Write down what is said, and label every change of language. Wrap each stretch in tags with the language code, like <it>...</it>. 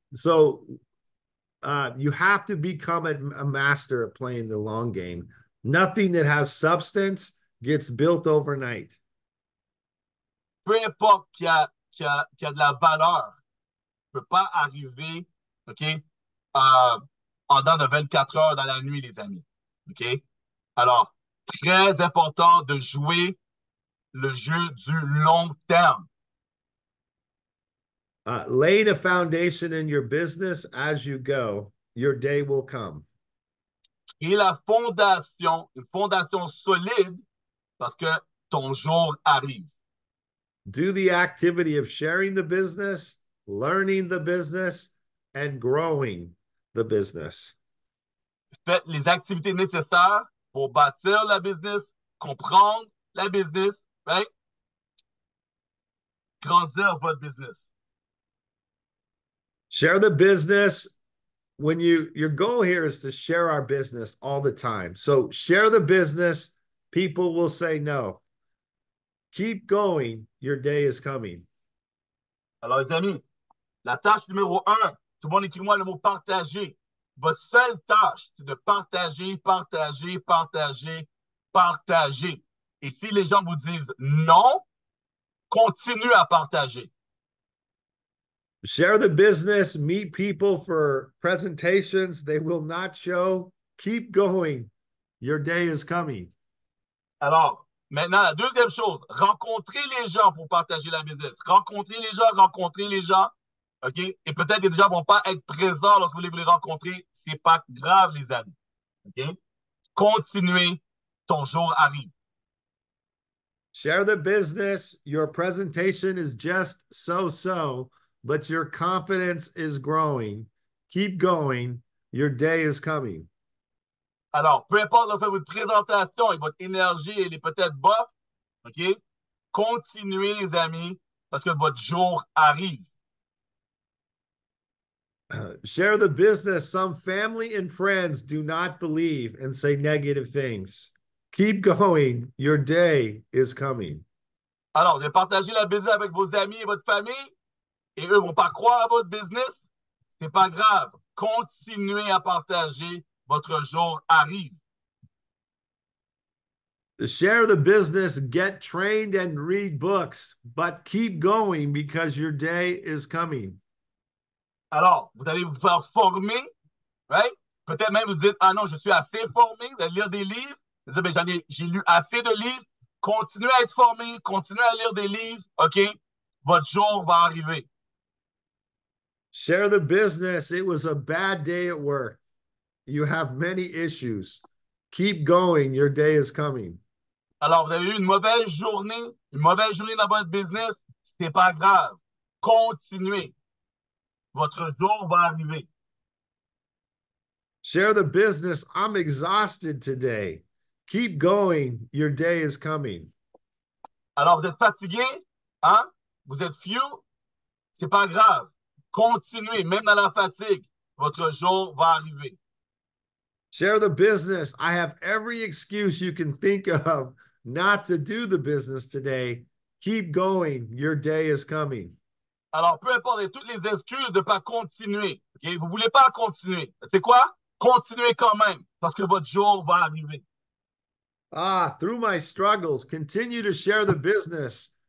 <en>So, you have to become a master at playing the long game. Nothing that has substance gets built overnight.</en> <fr>Peu importe qu'il y a de la valeur, ne peut pas arriver, OK, en dans de 24 heures dans la nuit, les amis. OK? Alors, très important de jouer le jeu du long terme.</fr> <en>Lay the foundation in your business as you go. Your day will come.</en> <fr>Et la fondation, une fondation solide, parce que ton jour arrive.</fr> <en>Do the activity of sharing the business, learning the business, and growing the business.</en> <fr>Faites les activités nécessaires pour bâtir la business, comprendre la business, right? Grandir votre business.</fr> <en>Share the business. When your goal here is to share our business all the time. So share the business. People will say no. Keep going. Your day is coming.</en> <fr>Alors, les amis, la tâche numéro un, tout le monde écrit-moi le mot partager. Votre seule tâche, c'est de partager. Et si les gens vous disent non, continue à partager.</fr> <en>Share the business, meet people for presentations they will not show. Keep going. Your day is coming.</en> <fr>Alors, maintenant, la deuxième chose, rencontrer les gens pour partager la business. Rencontrer les gens. OK? Et peut-être que les gens ne vont pas être présents lorsque vous voulez les rencontrer. Ce n'est pas grave, les amis. OK? Continuez. Ton jour arrive.</fr> <en>Share the business. Your presentation is just so-so. But your confidence is growing. Keep going. Your day is coming.</en> <fr>Alors, peu importe le fait de votre présentation et votre énergie, elle est peut-être bas, OK? Continuez, les amis, parce que votre jour arrive.</fr> <en>Share the business. Some family and friends do not believe and say negative things. Keep going. Your day is coming.</en> <fr>Alors, de partager la business avec vos amis et votre famille, et eux ne vont pas croire à votre business, ce n'est pas grave. Continuez à partager, votre jour arrive.</fr> <en>Share the business, get trained and read books, but keep going because your day is coming.</en> <fr>Alors, vous allez vous faire former, right? Peut-être même vous dites, ah non, je suis assez formé, vous allez lire des livres. Vous dites, mais j'ai lu assez de livres. Continuez à être formé, continuez à lire des livres, OK? Votre jour va arriver.</fr> <en>Share the business. It was a bad day at work. You have many issues. Keep going. Your day is coming.</en> <fr>Alors, vous avez eu une mauvaise journée dans votre business. C'est pas grave. Continuez. Votre jour va arriver.</fr> <en>Share the business. I'm exhausted today. Keep going. Your day is coming.</en> <fr>Alors, vous êtes fatigué, hein? Vous êtes few? C'est pas grave. Continuez, même dans la fatigue. Votre jour va arriver.</fr> <en>Share the business. I have every excuse you can think of not to do the business today. Keep going. Your day is coming.</en> <fr>Alors, peu importe toutes les excuses de ne pas continuer. Okay? Vous ne voulez pas continuer. C'est quoi? Continuez quand même, parce que votre jour va arriver.</fr> <en>Ah, through my struggles, continue to share the business.</en>